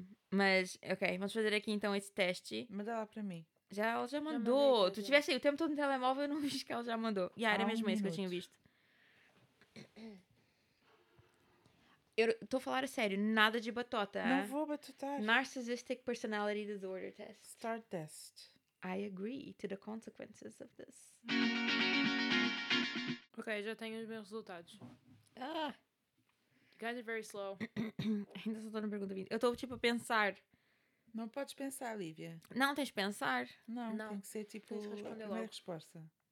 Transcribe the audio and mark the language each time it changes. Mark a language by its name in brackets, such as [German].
[Portuguese] Mas, ok, vamos fazer aqui então esse teste. Manda lá para mim. Já, ela já mandou. Já mandei, tu tiveste aí o tempo todo no telemóvel, eu não vi que ela já mandou. E era mesmo isso que eu tinha visto. Eu estou a falar a sério, nada de batota. Não vou batutar. [English] Narcissistic Personality Disorder Test. Start test. I agree to the consequences of this. [Portuguese] Ok, já tenho os meus resultados. Ah. [English] You guys are very slow. [Portuguese] Ainda só estou na pergunta 20. Eu estou tipo a pensar. Não podes pensar, Lívia. Não tens de pensar. Não, tem que ser tipo a primeira logo resposta.